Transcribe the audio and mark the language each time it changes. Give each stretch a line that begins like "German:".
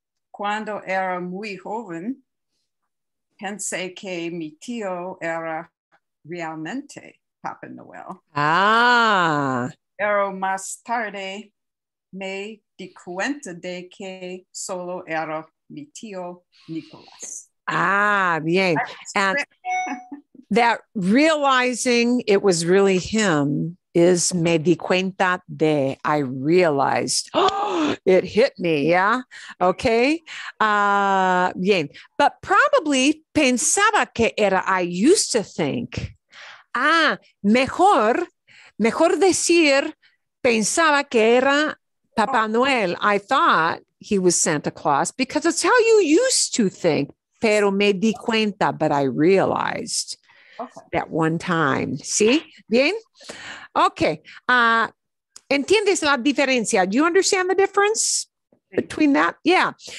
Spanish: Cuando era muy joven, pensé que mi tío era realmente Papá Noel. Ah. Pero más tarde me di cuenta de que solo era mi tío Nicolás. Ah, bien.
English: And that realizing it was really him is
Spanish: me di cuenta de,
English: I realized, it hit me, yeah? Okay,
Spanish: bien.
English: But probably
Spanish: pensaba que era,
English: I used to think.
Spanish: Ah, mejor decir, pensaba que era Papá Noel.
English: I thought he was Santa Claus because it's how you used to think.
Spanish: Pero me di cuenta,
English: but I realized. Okay. That one time. ¿Sí? ¿Bien? Okay.
Spanish: ¿Entiendes la diferencia?
English: Do you understand the difference between that? Yeah.